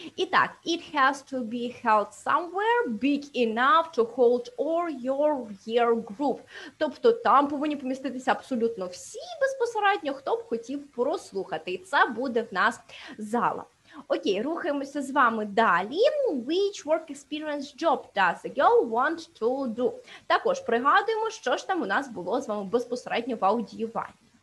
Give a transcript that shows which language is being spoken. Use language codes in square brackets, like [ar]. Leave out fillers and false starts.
[en] І так, it has to be held somewhere big enough to hold or your year group. [uk] Тобто там повинні поміститися абсолютно всі безпосередньо, хто б хотів прослухати. І це буде в нас зала. Окей, рухаємося з вами далі. [en] Which work experience job does a girl want to do? [uk] Також пригадуємо, що ж там у нас було з вами безпосередньо в аудіюванні.